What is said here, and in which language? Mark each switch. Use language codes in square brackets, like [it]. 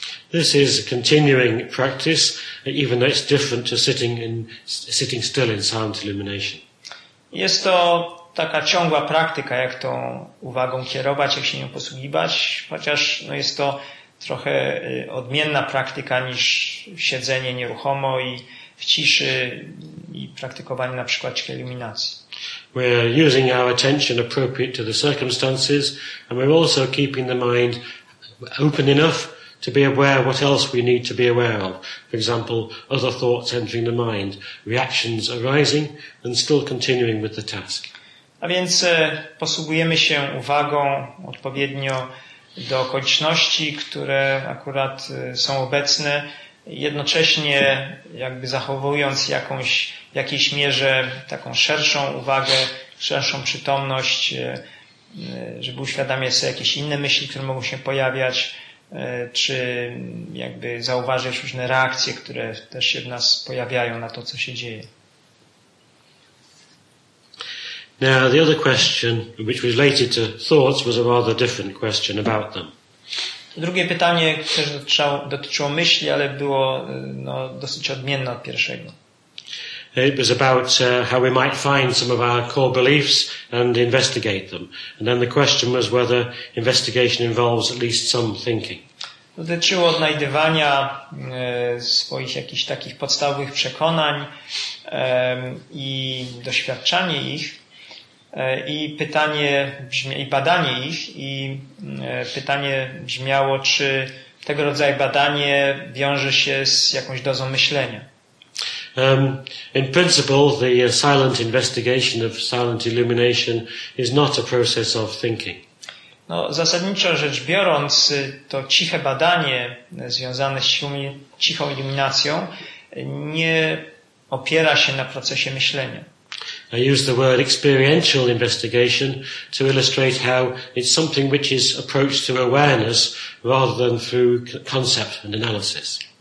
[en] This is continuing practice, even though it's different to sitting still in silent illumination. [pl] Jest to taka ciągła praktyka, jak tą uwagą kierować, jak się nią posługiwać, chociaż no, jest to trochę odmienna praktyka niż siedzenie nieruchomo i w ciszy i praktykowanie na przykład ćwiczeń iluminacji. [en] We're using our attention appropriate to the circumstances, and we're also keeping the mind open enough to be aware of what else we need to be aware of. For example, other thoughts entering the mind, reactions arising, and still continuing with the task. [pl] A więc posługujemy się uwagą odpowiednio do okoliczności, które akurat są obecne, jednocześnie jakby zachowując jakąś, w jakiejś mierze taką szerszą uwagę, szerszą przytomność, żeby uświadamiać sobie jakieś inne myśli, które mogą się pojawiać, czy jakby zauważyć różne reakcje, które też się w nas pojawiają na to, co się dzieje. [en] Now the other question, which was related to thoughts, was a rather different question about them. [pl] Drugie pytanie też dotyczyło myśli, ale było dosyć odmienne od pierwszego. [en] It was about how we might find some of our core beliefs and investigate them. And then the question was whether investigation involves at least some thinking. [pl] Dotyczyło odnajdywania swoich jakichś takich podstawowych przekonań i doświadczanie ich. I badanie ich, i pytanie brzmiało, czy tego rodzaju badanie wiąże się z jakąś dozą myślenia. [en] In principle, the silent investigation of silent illumination is not a process of thinking. [pl] Zasadniczo rzecz biorąc, to ciche badanie związane z cichą iluminacją nie opiera się na procesie myślenia. [en] I use the word experiential investigation to illustrate how it's something which is approached through awareness rather than through concept and analysis.